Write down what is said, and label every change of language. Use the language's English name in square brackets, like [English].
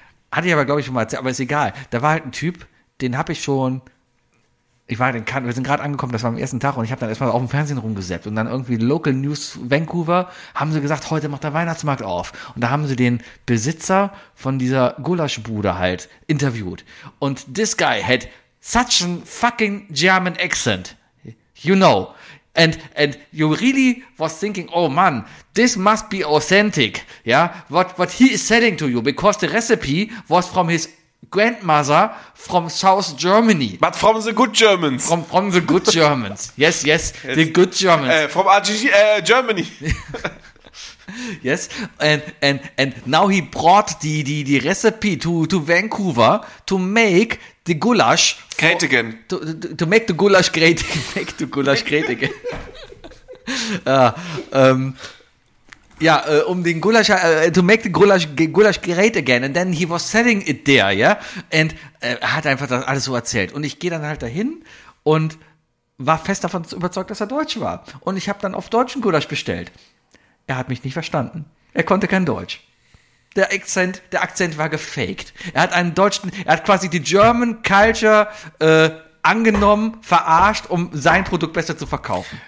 [German] Hatte ich aber, glaube ich, schon mal erzählt. Aber ist egal. Da war halt ein Typ, den habe ich schon. Wir sind gerade angekommen, das war am ersten Tag und ich habe dann erstmal auf dem Fernsehen rumgesäppt und dann irgendwie Local News Vancouver haben sie gesagt, heute macht der Weihnachtsmarkt auf. Und da haben sie den Besitzer von dieser Gulaschbude halt interviewt. [English] Und this guy had such a fucking German accent. You know. And you really was thinking, oh man, this must be authentic. Ja, yeah? What he is selling to you, because the recipe was from his Grandmother from South Germany. But from the good Germans. From the good Germans. Yes. The good Germans. From Germany. Yes. And now he brought the recipe to Vancouver to make the goulash. Great again. To make the goulash great again. Make the goulash great again. [German] Ja, um den Gulasch, [English] to make the Gulasch great again, and then he was selling it there, ja, yeah? [German] And er hat einfach das alles so erzählt. Und ich gehe dann halt dahin und war fest davon überzeugt, dass er Deutsch war. Und ich habe dann auf deutschen Gulasch bestellt. Er hat mich nicht verstanden. Er konnte kein Deutsch. Der Akzent war gefaked. Er hat quasi die German Culture angenommen, verarscht, um sein Produkt besser zu verkaufen.